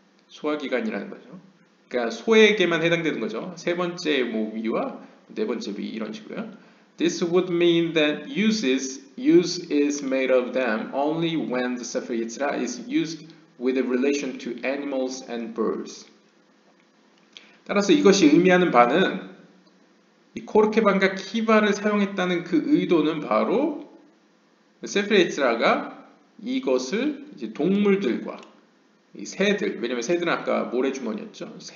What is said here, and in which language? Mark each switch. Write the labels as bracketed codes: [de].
[ko] 소화기관이라는 거죠. 그러니까 소에게만 해당되는 거죠. 세 번째 뭐 위와 네 번째 위 이런 식으로요. [en] This would mean that use is made of them only when the Sefer Yetzirah is used with a relation to animals and birds. [ko] 따라서 이것이 의미하는 바는 이 코르케반과 키바를 사용했다는 그 의도는 바로 세프레 예츠라가 이것을 이제 동물들과 이 새들, 왜냐면 새들은 아까 모래주머니였죠.